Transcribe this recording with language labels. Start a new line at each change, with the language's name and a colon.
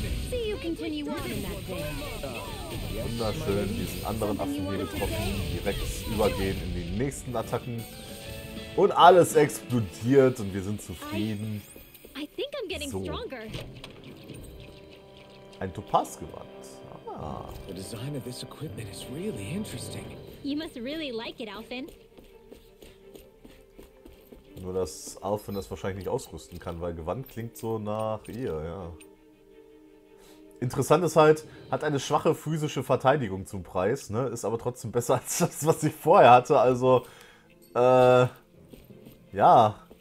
English: See you continue on in that thing.
German: Wunderschön, diesen anderen Affen hier getroffen, direkt übergehen in die nächsten Attacken. Und alles explodiert und wir sind zufrieden. So. Ein Topaz-Gewand.
English: The design of this equipment is really interesting. You must really like it, Alfin.
German: Nur, dass Alfin das wahrscheinlich nicht ausrüsten kann, weil Gewand klingt so nach ihr, ja. Interessant ist halt, hat eine schwache physische Verteidigung zum Preis, ne? Ist aber trotzdem besser als das, was ich vorher hatte. Also, ja.